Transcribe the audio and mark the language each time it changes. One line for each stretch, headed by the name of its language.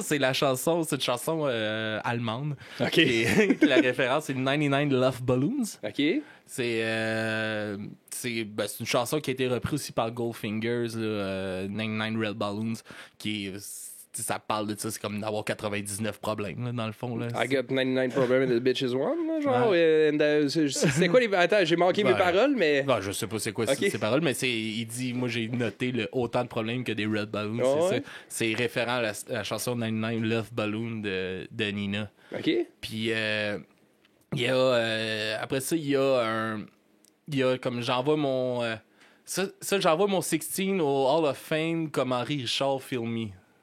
French: c'est la chanson, c'est une chanson allemande. OK. La référence, c'est 99 Love Balloons. OK. C'est une chanson qui a été reprise aussi par Goldfingers, 99 Red Balloons, qui est, ça parle de ça, c'est comme d'avoir 99 problèmes, là, dans le fond. Là,
English: I got 99 problems and the bitch is one.
French: C'est quoi les... Attends, j'ai manqué mes paroles, mais... Ben, je sais pas c'est quoi ces paroles, mais il dit, moi j'ai noté le autant de problèmes que des Red Balloons, ça. C'est référent à la chanson 99 Love Balloon de Nina. OK. Puis... il y a après ça il y a un il y a comme j'envoie mon ça j'envoie mon 16 au Hall of Fame comme Henri Richard filmé.